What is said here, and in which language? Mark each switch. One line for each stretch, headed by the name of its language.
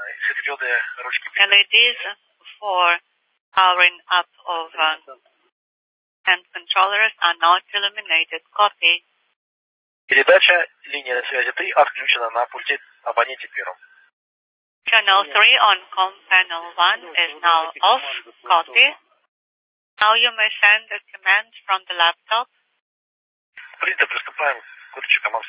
English: LEDs for powering up of hand controllers are not illuminated. Copy.
Russian: Передача линии связи 3 отключена на пульте абоненте первом.
English: Channel 3 on comm panel 1 is now off. Copy. Now you may send a command from the laptop.
Russian: Принято, приступаем к выдаче команд с